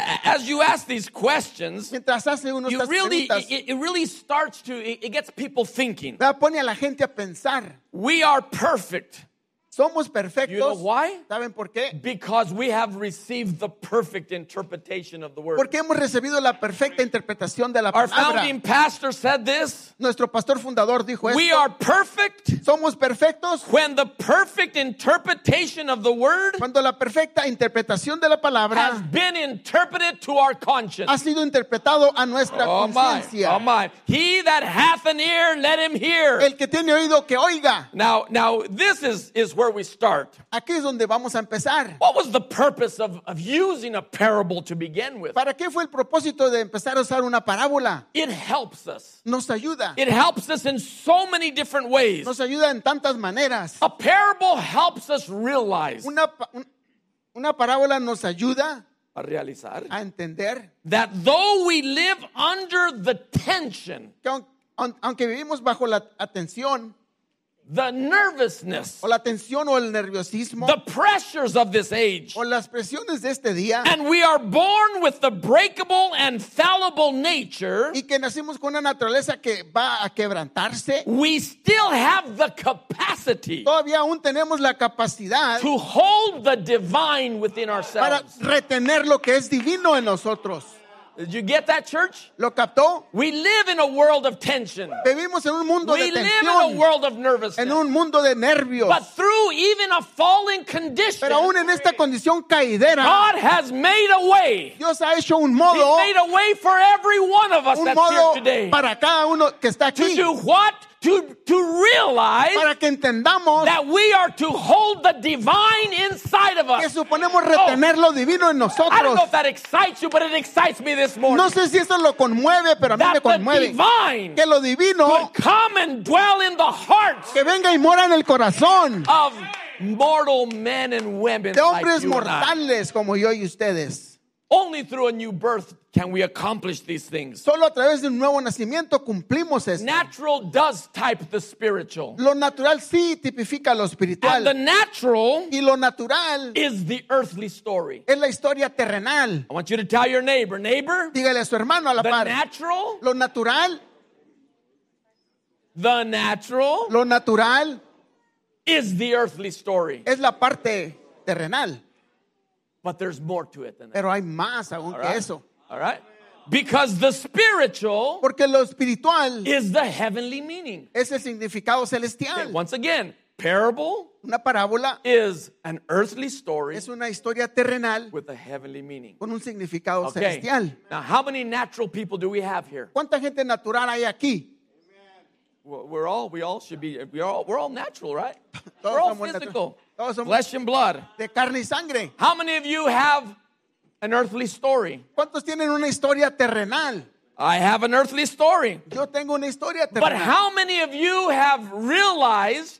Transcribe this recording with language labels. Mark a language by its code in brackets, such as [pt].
[en] As you ask these questions, [es] mientras hace uno [en] you really, [es] preguntas, [en] it really starts to gets people thinking. [es] Pone a la gente a pensar. [en] We are perfect. [es] Somos perfectos. [en] You know why? [es] ¿Saben por qué? [en] Because we have received the perfect interpretation of the word. [es] Porque hemos recibido la perfecta interpretación de la palabra. [en] Our founding pastor said this. [es] Nuestro pastor fundador dijo esto. [en] We are perfect. [es] Somos perfectos. [en] When the perfect interpretation of the word, [es] cuando la perfecta interpretación de la palabra, [en] has been interpreted to our conscience. [es] Ha sido interpretado a nuestra conciencia. [en] Oh my. He that hath an ear, let him hear. [es] El que tiene oído que oiga. [en] Now this is where we start. [es] Aquí es donde vamos a empezar. [en] What was the purpose of using a parable to begin with? [es] ¿Para qué fue el propósito de empezar a usar una parábola? [en] It helps us. [es] Nos ayuda. [en] It helps us in so many different ways. [es] Nos ayuda en tantas maneras. [en] A parable helps us realize. [es] Una parábola nos ayuda a realizar, a entender, [en] that though we live under the tension, [es] aunque vivimos bajo la tensión, [en] the nervousness, [es] o la tensión o el nerviosismo, [en] the pressures of this age, [es] o las presiones de este día, [en] and we are born with the breakable and fallible nature, [es] y que nacimos con una naturaleza que va a quebrantarse, [en] we still have the capacity, [es] todavía aún tenemos la capacidad, [en] to hold the divine within ourselves, [es] para retener lo que es divino en nosotros. [en] Did you get that, church? [es] ¿Lo captó? [en] We live in a world of tension. [es] Vivimos en un mundo [en] we [es] de tensión. [en] We live in a world of nervousness. [es] En un mundo de nervios. [en] But through even a fallen condition, [es] pero aún en esta condición caidera, [en] God has made a way. [es] Dios ha hecho un modo. [en] He made a way for every one of us [es] un [en] that's [es] modo [en] here today. [es] Para cada uno que está aquí. [en] To do what? To realize, [es] para que entendamos, [en] that we are to hold the divine inside of us. [es] Que suponemos retener lo divino en nosotros. [en] I don't know if that excites you, but it excites me this morning. [es] No sé si eso lo conmueve, pero a mí me conmueve. [en] That the divine, [es] que lo divino, [en] could come and dwell in the hearts, [es] que venga y mora en el corazón, [en] of mortal men and women, [es] de hombres [en] like [es] mortales como yo y ustedes. [en] Only through a new birth can we accomplish these things. [es] Solo a través de un nuevo nacimiento cumplimos esto. [en] Natural does type the spiritual. [es] Lo natural sí tipifica lo espiritual. [en] And the natural, [es] y lo natural, [en] is the earthly story. [es] Es la historia terrenal. [en] I want you to tell your neighbor. [es] Dígale a su hermano a la par. [en] The natural. [es] Lo natural. [en] The natural. [es] Lo natural. [en] Is the earthly story. [es] Es la parte terrenal. [en] But there's more to it than that. [es] Pero hay más aún que eso. [en] All right? Because the spiritual, [es] porque lo espiritual, [en] is the heavenly meaning. [es] Es el significado celestial. [en] Okay, once again, parable, [es] una parábola, [en] is an earthly story, [es] es una historia terrenal, [en] with a heavenly meaning. [es] Con un significado celestial. [en] Now, how many natural people do we have here? [es] ¿Cuánta gente natural hay aquí? [en] We're all natural, right? We're all physical. Flesh and blood. [es] De carne y sangre. [en] How many of you have an earthly story? [es] ¿Cuántos tienen una historia terrenal? [en] I have an earthly story. [es] Yo tengo una historia terrenal. [en] But how many of you have realized,